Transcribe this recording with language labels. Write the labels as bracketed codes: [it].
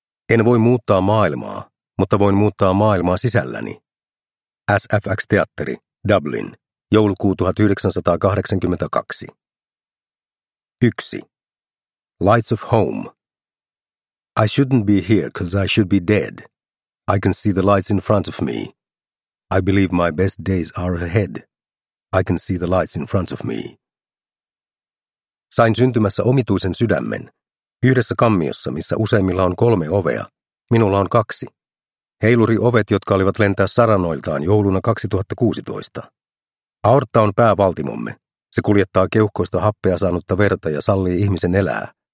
[fi] En voi muuttaa maailmaa, mutta voin muuttaa maailmaa sisälläni. SFX-teatteri, Dublin, joulukuu 1982. [en] 1. Lights of home. I shouldn't be here because I should be dead. I can see the lights in front of me. I believe my best days are ahead. I can see the lights in front of me. [fi] Sain syntymässä omituisen sydämen. Yhdessä kammiossa, missä useimmilla on kolme ovea, minulla on kaksi. Heiluri ovet, jotka olivat lentää saranoiltaan jouluna 2016. Aortta on päävaltimomme. Se kuljettaa keuhkoista happea saanutta verta ja sallii ihmisen elää.